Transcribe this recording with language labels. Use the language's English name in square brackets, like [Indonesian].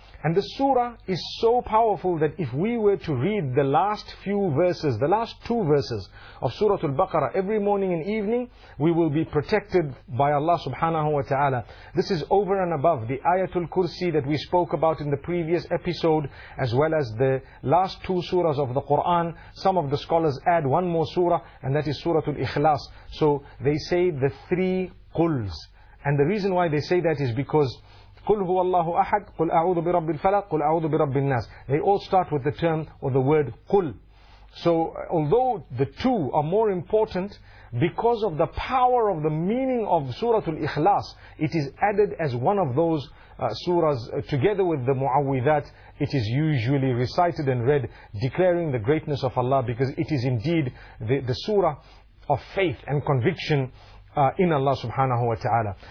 [English] And the surah is so powerful that if we were to read the last few verses, the last two verses of Surah Al-Baqarah every morning and evening, we will be protected by Allah subhanahu wa ta'ala. This is over and above the Ayatul Kursi that we spoke about in the previous episode, as well as the last two surahs of the Quran. Some of the scholars add one more surah, and that is Surah Al-Ikhlas. So they say the three quls. And the reason why they say that is because [Arabic] قُلْ هُوَ اللَّهُ أَحَدْ قُلْ أَعُوذُ بِرَبِّ الْفَلَقِ قُلْ أَعُوذُ بِرَبِّ النَّاسِ. [English] They all start with the term or the word قُلْ. So although the two are more important, because of the power of the meaning of Surah Al-Ikhlas, it is added as one of those surahs together with the Mu'awwidhat. It is usually recited and read declaring the greatness of Allah, because it is indeed the surah of faith and conviction in Allah subhanahu wa ta'ala.